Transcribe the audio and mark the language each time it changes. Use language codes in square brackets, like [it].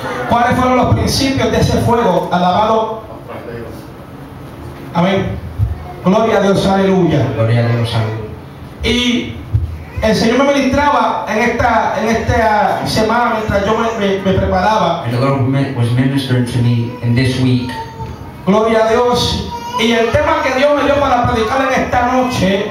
[es] ¿Cuáles fueron los principios de ese fuego? Alabado. Amén. Gloria a Dios, aleluya. Gloria a Dios, aleluya. Y el Señor me ministraba en esta semana mientras yo me preparaba. [en] And the Lord was ministering to me in this week. [es] Gloria a Dios. Y el tema que Dios me dio para predicar en esta noche,